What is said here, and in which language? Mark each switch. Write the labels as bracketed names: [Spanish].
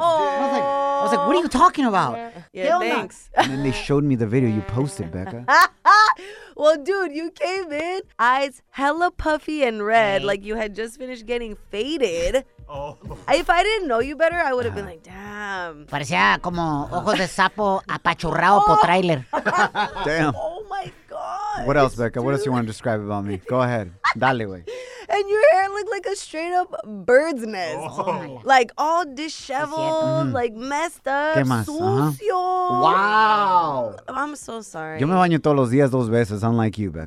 [English] I was like, what are you talking about? Yeah, thanks. And then they showed me the video you posted, Becca. Well, dude, you came in, eyes hella puffy and red, like you had just finished getting faded. Oh. If I didn't know you better, I would have been like, damn. [Spanish] Parecía como ojos de sapo apachurrado por trailer. [English] Damn. Oh, my God. What else, Becca? Dude. What else you want to describe about me? Go ahead. [Spanish] Dale, güey. [English] And your hair looked like a straight-up bird's nest. Oh. Like, all disheveled, like, messed up, [Spanish] ¿qué más? Sucio. Uh-huh. [English] Wow. I'm so sorry. [Spanish] Yo me baño todos los días dos veces, [English] unlike you, Becca.